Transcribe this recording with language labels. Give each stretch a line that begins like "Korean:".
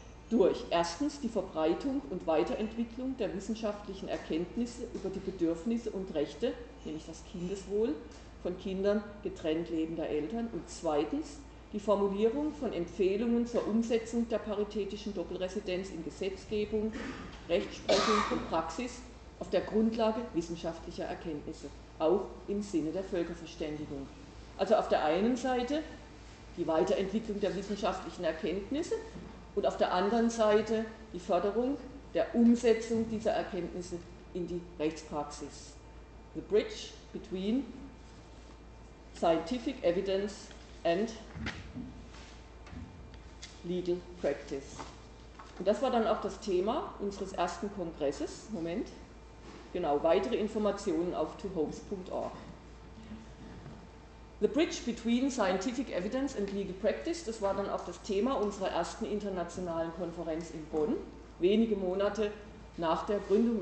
German: durch erstens die Verbreitung und Weiterentwicklung der wissenschaftlichen Erkenntnisse über die Bedürfnisse und Rechte, nämlich das Kindeswohl, von Kindern getrennt lebender Eltern und zweitens die Formulierung von Empfehlungen zur Umsetzung der paritätischen Doppelresidenz in Gesetzgebung, Rechtsprechung und Praxis auf der Grundlage wissenschaftlicher Erkenntnisse, auch im Sinne der Völkerverständigung. Also auf der einen Seite die Weiterentwicklung der wissenschaftlichen Erkenntnisse und auf der anderen Seite die Förderung der Umsetzung dieser Erkenntnisse in die Rechtspraxis.
English: The bridge between scientific evidence and legal practice.
German: Und das war dann auch das Thema unseres ersten Kongresses. Moment. Genau, weitere Informationen auf tohomes.org.
English: The bridge between scientific evidence and legal practice,
German: das war dann auch das Thema unserer ersten internationalen Konferenz in Bonn, wenige Monate nach der Gründung.